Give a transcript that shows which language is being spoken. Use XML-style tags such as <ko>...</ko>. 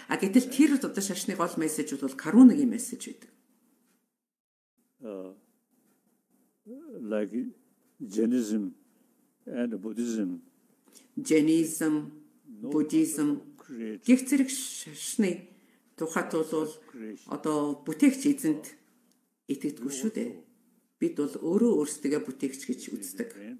<mn>А гэтэл тэр одоо шашны гол мессеж бол Карунагийн мессеж байдаг.</mn> <en>Like Jainism and Buddhism. Jainism, Buddhism.</en> <mn>Гэх зэрэг шашны тухайд бол одоо бүтээгч эзэнд итгэдэггүй шүү дээ. Бид бол өөрөө өөрсдөө бүтээгч гэж үздэг.</mn>